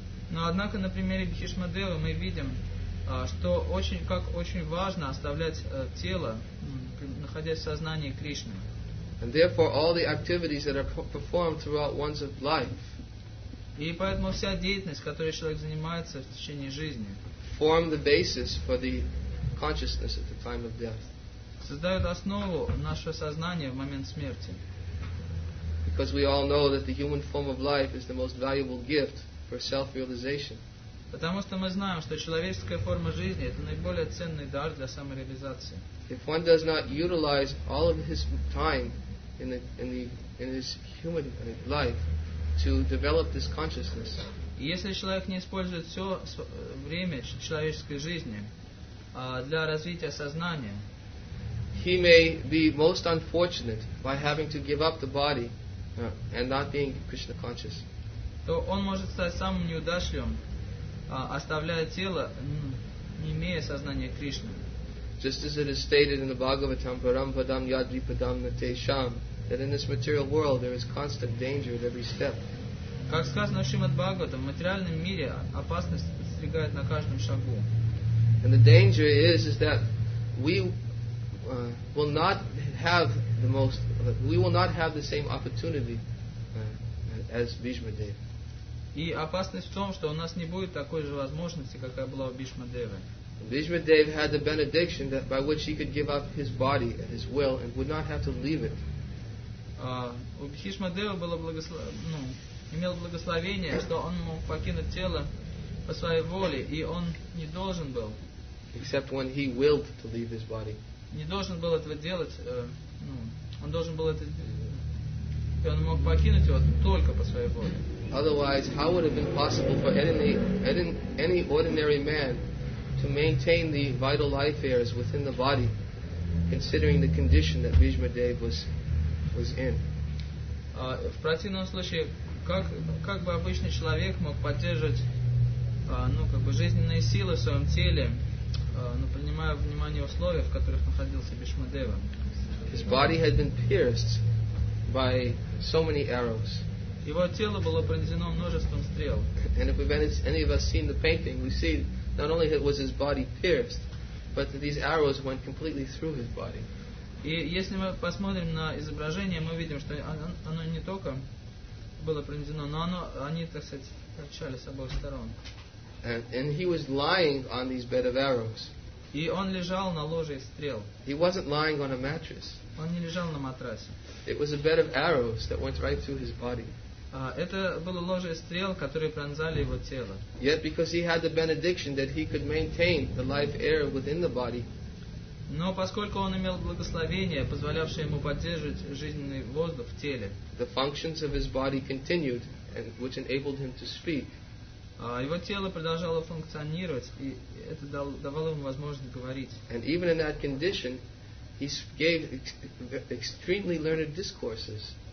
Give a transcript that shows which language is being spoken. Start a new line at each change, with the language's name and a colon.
Russian: Но однако на примере Бхишма Девы мы видим, что очень как очень важно оставлять тело, находясь в сознании Кришны.
English: And therefore, all the activities that are performed throughout one's life.
Russian: И поэтому вся деятельность, которой человек занимается в течение жизни.
English: Form the basis for the consciousness at the time of death.
Russian: Создают основу нашего сознания в момент смерти.
English: Because we all know that the human form of life is the most valuable gift for self-realization.
Russian: Потому что мы знаем, что человеческая форма жизни это наиболее ценный дар для самореализации.
English: If one does not utilize all of his time in his human life to develop this consciousness.
Russian: Если человек не использует все время человеческой жизни для развития сознания,
English: he may be most unfortunate by having to give up the body and not being Krishna conscious.
Russian: То он может стать самым неудачливым, оставляя тело, не имея сознания Кришны.
English: Just as it is stated in the Bhagavatam,
Sanskrit: param padam yadri padam nate sham,
English: that in this material world there is constant danger at every step.
Russian: Как сказано в Шримад Бхагаватам, в материальном мире опасность подстерегает на каждом шагу.
English: And the danger is that we will not have the most, we will not have the same opportunity as Bhishma Dev.
Russian: И опасность в том, что у нас не будет такой же возможности, какая была у Бхишма Девы.
English: Bhishma Dev had the benediction that by which he could give up his body at his will and would not have to leave it.
Russian: У Бхишма Девы было имел благословение, что он мог покинуть тело по своей воле, и он не должен был.
English: Except when he willed to leave his body.
Russian: Не должен был этого делать. Он должен был это и он мог покинуть его только по своей воле.
English: Otherwise, how would it have been possible for any ordinary man to maintain the vital life airs within the body, considering the condition that Bhishma Dev was in?
Russian: В противном случае, как бы обычный человек мог поддерживать жизненные силы в своем теле, принимая внимание условия, в которых находился Бхишма Дева?
English: His body had been pierced by so many arrows.
Russian: Его тело было пронзено множеством стрел.
English: And if any of us seen the painting, we see not only was his body pierced, but these arrows went completely through his body.
Russian: И если мы посмотрим на изображение, мы видим, что оно не только было пронзено, но они, так сказать, торчали с обоих сторон.
English: And he was lying on these bed of arrows.
Russian: И он лежал на ложе из стрел.
English: He wasn't lying on a mattress.
Russian: Он не лежал на матрасе.
English: It was a bed of arrows that went right through his body.
Russian: Это было ложе стрел, которые пронзали его тело.
English: Yet because he had the benediction that he could maintain the life air within the body.
Russian: Но поскольку он имел благословение, позволявшее ему поддерживать жизненный воздух в теле.
English: The functions of his body continued, and which enabled him to speak.
Russian: Его тело продолжало функционировать, и это давало ему возможность говорить.
English: And even in that condition, he gave extremely learned discourses.